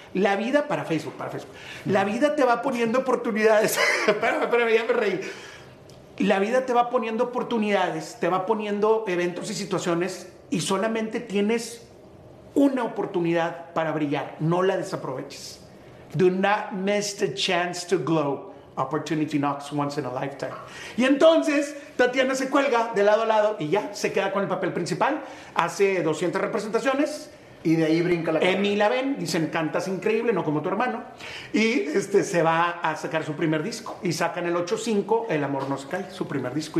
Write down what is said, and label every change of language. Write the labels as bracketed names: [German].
[Spanish] La vida, para Facebook. La vida te va poniendo oportunidades. espérame, ya me reí. La vida te va poniendo oportunidades, te va poniendo eventos y situaciones, y solamente tienes una oportunidad para brillar. No la desaproveches. [English] Do not miss the chance to glow. Opportunity knocks once in a lifetime. [Spanish] Y entonces, Tatiana se cuelga de lado a lado y ya, se queda con el papel principal. Hace 200 representaciones. Y de ahí brinca la cara. Emi la ven, dicen, cantas increíble, no como tu hermano. Y se va a sacar su primer disco. Y sacan el 8-5, El Amor No Se Cae, su primer disco.